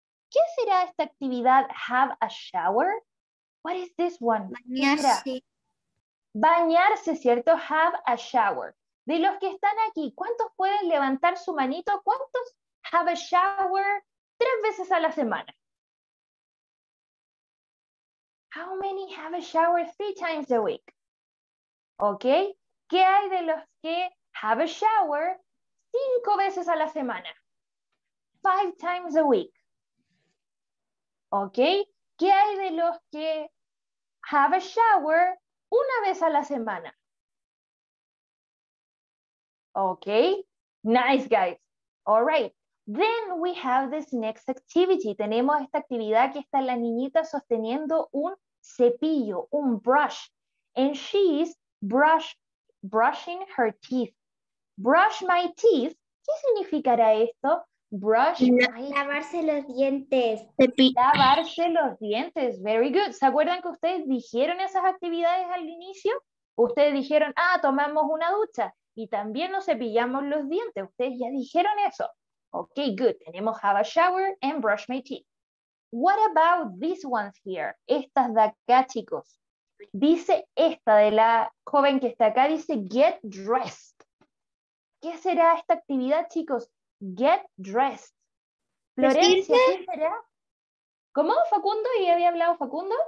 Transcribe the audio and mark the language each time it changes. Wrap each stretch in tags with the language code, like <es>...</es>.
<en>¿Qué será esta actividad, have a shower? What is this one?</en> <es>Bañarse. Bañarse, ¿cierto? Have a shower. De los que están aquí, ¿cuántos pueden levantar su manito? ¿Cuántos have a shower 3 veces a la semana?</es> <en>How many have a shower 3 times a week? ¿Ok?</en> <es>¿Qué hay de los que have a shower 5 veces a la semana?</es> <en>5 times a week. ¿Ok?</en> <es>¿Qué hay de los que have a shower 1 vez a la semana?</es> <en>¿Ok? Nice, guys. All right. Then we have this next activity.</en> <es>Tenemos esta actividad que está la niñita sosteniendo un cepillo, un brush.</es> <en>And she's brushing her teeth. Brush my teeth. ¿Qué significará esto? Brush my...</en> <es>Lavarse los dientes. Lavarse los dientes. Very good. ¿Se acuerdan que ustedes dijeron esas actividades al inicio? Ustedes dijeron, ah, tomamos una ducha. Y también nos cepillamos los dientes. Ustedes ya dijeron eso. Ok, good.</es> <en>Tenemos have a shower and brush my teeth. What about these ones here? Estas de acá, chicos.</en> <es>Dice esta de la joven que está acá. Dice get dressed. ¿Qué será esta actividad, chicos?</es> <en>Get dressed. Florencia,</en> <es>¿vestirse? ¿Qué será? ¿Cómo, Facundo? ¿Y había hablado Facundo?</es>